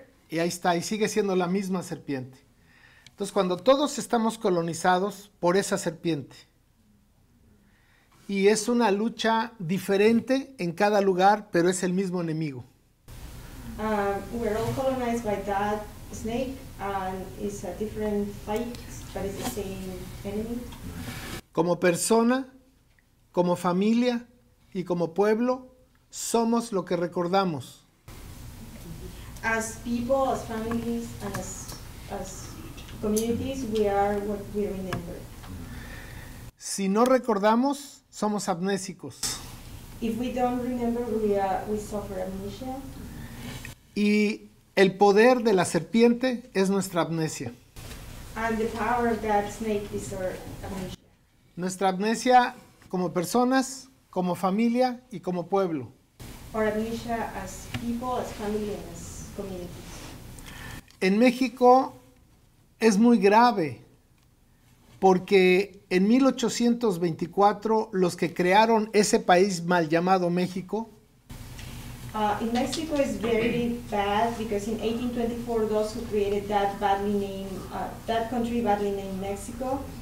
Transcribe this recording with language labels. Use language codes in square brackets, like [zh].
[es] Y ahí está, y sigue siendo la misma serpiente. Entonces, cuando todos estamos colonizados por esa serpiente, y es una lucha diferente en cada lugar, pero es el mismo enemigo. [en] We're all colonized by that snake, and it's a different fight, but it's the same enemy. [es] Como persona, como familia y como pueblo, somos lo que recordamos. [en] As people, as families, and as communities, we are what we remember. [es] Si no recordamos, somos amnésicos. [en] If we don't remember, we suffer amnesia. [es] Y el poder de la serpiente es nuestra amnesia. [en] And the power of that snake is our amnesia. [es] Nuestra amnesia como personas, como familia y como pueblo. [en] Our amnesia as people, as family, and as communities. [es] En México es muy grave porque en 1824 los que crearon ese país mal llamado México. [en] In Mexico is very bad because in 1824 those who created that badly named that country badly named Mexico.